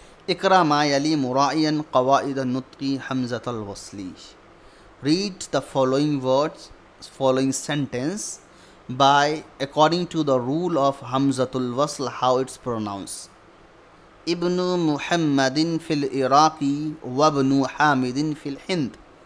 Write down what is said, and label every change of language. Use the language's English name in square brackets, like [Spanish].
[Arabic] اقرأ ما يلي مراعيا قواعد النطق حمزة الوصلي. [English] Read the following words, following sentence by according to the rule of حمزة الوصل, how it's pronounced. [Arabic] ابن محمد في العراق وابن حامد في الهند.